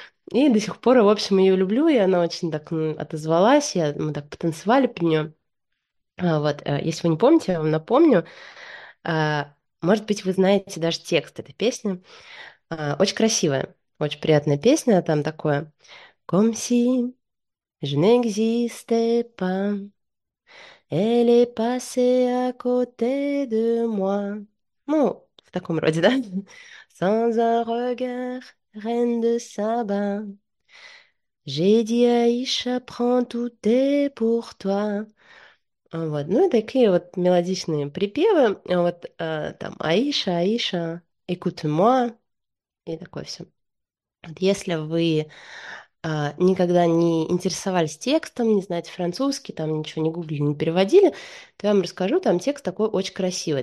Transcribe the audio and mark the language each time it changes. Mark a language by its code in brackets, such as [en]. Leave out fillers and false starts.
[ru] И до сих пор, в общем, ее люблю, и она очень так отозвалась, мы так потанцевали под нее. Вот, если вы не помните, я вам напомню. Может быть, вы знаете даже текст этой песни. Очень красивая, очень приятная песня, там такое. [fr] Comme si je n'existais pas, elle est passée à côté de moi. [ru] Ну, в таком роде, да? [fr] Sans un regard, reine de Saba. J'ai dit Aïcha, prends tout est pour toi. [ru] Вот. Ну и такие вот мелодичные припевы. Вот там Аиша, Аиша, [fr] écoute-moi. [ru] И такое все. Вот если вы никогда не интересовались текстом, не знаете французский, там ничего не гуглили, не переводили, то я вам расскажу, там текст такой очень красивый.